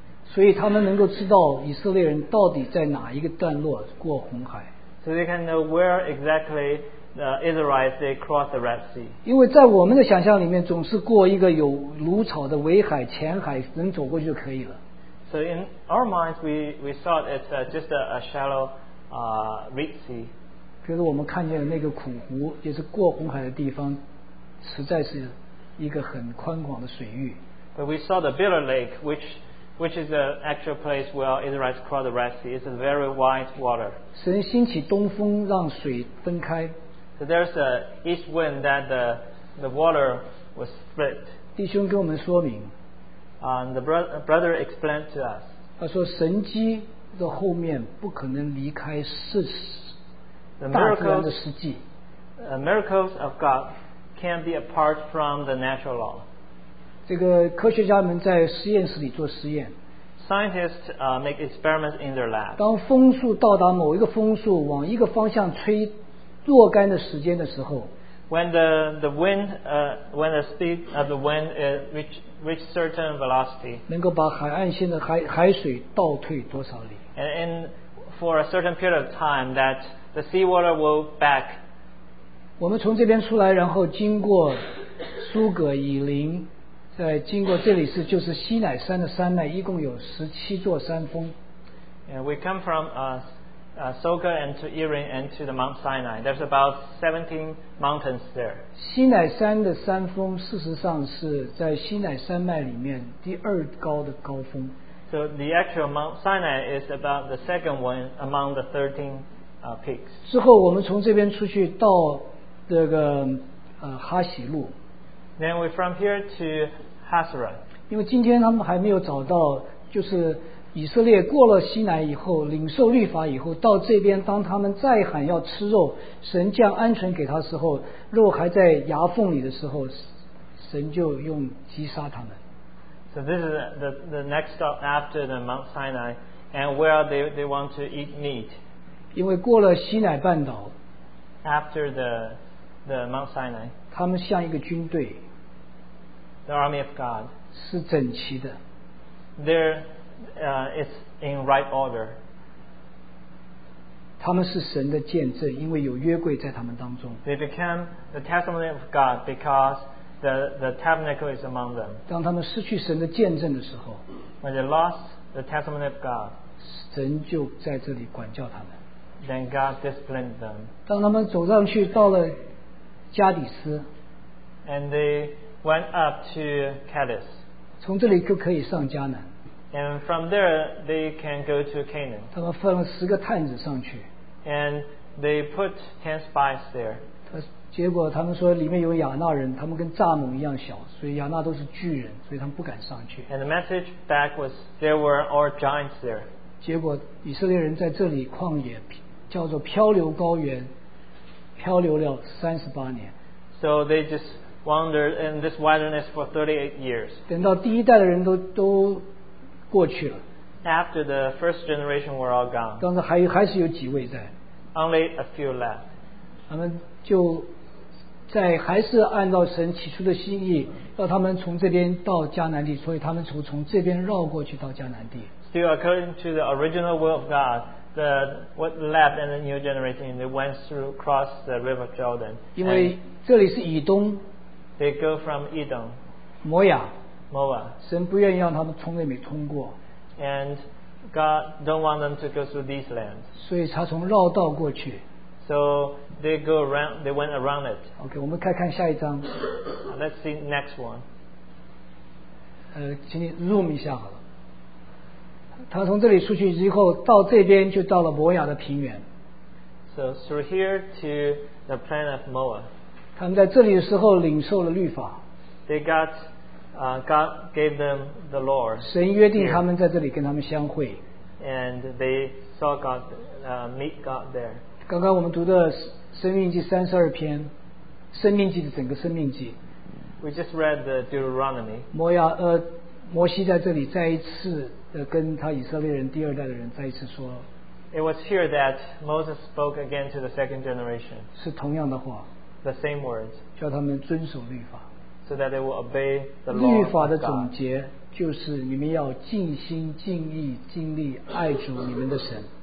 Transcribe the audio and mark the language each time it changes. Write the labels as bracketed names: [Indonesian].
[Chinese] 所以，他们能够知道以色列人到底在哪一个段落过红海。 [English] So they can know where exactly the Israelites they cross the Red Sea. [Chinese] 因为在我们的想象里面，总是过一个有芦草的围海、浅海，能走过去就可以了。 [English] So in our minds, we thought it's just a shallow reed sea. [Chinese] 可是我们看见的那个苦湖，也是过红海的地方，实在是一个很宽广的水域。 [English] But we saw the Bitter Lake, which is the actual place where Israelites cross the Red Sea. It's a very wide water. [Chinese] 神兴起东风，让水分开。 [English] So there's an east wind that the water was split. [Chinese] 弟兄跟我们说明。 [English] The brother explained to us. [Chinese] 他说神迹的后面不可能离开事实，大自然的实际。 [English] Miracles of God can't be apart from the natural law. [Chinese] 这个科学家们在实验室里做实验。 [English] Scientists make experiments in their lab. [Chinese] 当风速到达某一个风速往一个方向吹若干的时间的时候。 [English] When the wind, when the speed of the wind reach certain velocity, [Chinese] 能够把海岸线的海水倒退多少里？ [English] And for a certain period of time, that the seawater will back. [Chinese] 我们从这边出来，然后经过苏格以林，再经过这里是就是西乃山的山脉，一共有17座山峰。 [English] Yeah, we come from Soga and to Irin and to the Mount Sinai. There's about 17 mountains there. [Chinese] 西乃山的山峰事实上是在西乃山脉里面第二高的高峰。 [English] So the actual Mount Sinai is about the second one among the 13 peaks. [Chinese] 之后我们从这边出去到这个哈喜路。 [English] Then we're from here to Hasra. [Chinese] 因为今天他们还没有找到就是以色列过了西乃以后领受律法以后到这边当他们再喊要吃肉神降鹌鹑给他时候肉还在牙缝里的时候神就用击杀他们。 [English] So this is the next stop after the Mount Sinai and where they want to eat meat. [Chinese] 因为过了西乃半岛 [English] after the Mount Sinai [Chinese] 他们像一个军队 [English] the army of God [Chinese] 是整齐的 [English] they'reIt's in right order. [Chinese] 他们是神的见证，因为有约柜在他们当中。 [English] They became the testimony of God because the tabernacle is among them. [Chinese] 当他们失去神的见证的时候 [English] ，When they lost the testimony of God, [Chinese] 神就在这里管教他们。 [English] Then God disciplined them. [Chinese] 当他们走上去到了加底斯 [English] ，And they went up to Kadesh. [Chinese] 从这里就可以上迦南。 [English] And from there, they can go to Canaan. [Chinese] 他们放了十个探子上去。 [English] And they put 10 spies there. [Chinese] 结果他们说里面有亚纳人，他们跟蚱蜢一样小，所以亚纳都是巨人，所以他们不敢上去。 [English] And the message back was there were all giants there. [Chinese] 结果以色列人在这里旷野，叫做漂流高原，漂流了38年。 [English] So they just wandered in this wilderness for 38 years. [Chinese] 等到第一代的人都过去了。 [English] After the first generation were all gone. [Chinese] 当时还是有几位在。 [English] Only a few left. [Chinese] 他们就在还是按照神起初的心意，要他们从这边到迦南地，所以他们从这边绕过去到迦南地。 [English] Still according to the original will of God, the what left and the new generation they went through across the river Jordan. [Chinese] 因为这里是以东。 [English] They go from Edom. [Chinese] 摩亚。 [English] Moab. [Chinese] 神不愿意让他们从那里通过。 [English] And God don't want them to go through these lands. [Chinese] 所以他从绕道过去。 [English] So they go around. They went around it. [Chinese] Okay, 我们看看下一章。 [English] Let's see next one. [Chinese] 请你 zoom 一下好了。他从这里出去之后，到这边就到了摩亚的平原。 [English] So through here to the plain of Moab. [Chinese] 他们在这里的时候领受了律法。 [English] They got, God gave them the law. [Chinese] 神约定他们在这里跟他们相会。 [English] And they saw God, meet God there. [Chinese] 刚刚我们读的《生命记》三十二篇，《生命记》的整个《生命记》。 [English] We just read the Deuteronomy. [Chinese] 摩西在这里再一次的跟他以色列人第二代的人再一次说。 [English] It was here that Moses spoke again to the second generation. [Chinese] 是同样的话。 [English] The same words. [Chinese] 叫他们遵守律法。 [English] So that they will obey the law of God. [Chinese] 律法的总结就是你们要尽心、尽意、尽力爱主你们的神。